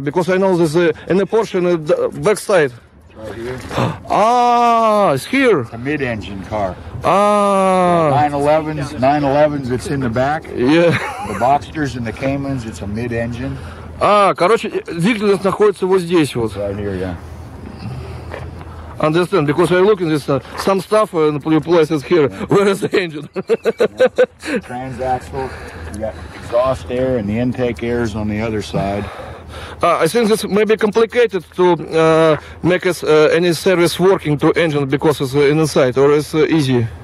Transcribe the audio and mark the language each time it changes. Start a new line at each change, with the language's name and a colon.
English: Because I know this in the Porsche in the back side. Right here. Ah, it's here. It's a mid-engine car. Ah. 911s, it's in the back. Yeah. The Boxsters and the Caymans, it's a mid-engine.
Russian: Ah, короче, двигатель находится вот здесь вот.
English: It's right here, yeah. Understand, because I look in this, some stuff in your place is here. Yeah. Where is the engine? Yeah. Transaxle, you got exhaust air and the intake air is on the other side. I think it's maybe complicated to make us any service working to engine because it's inside, or it's easy?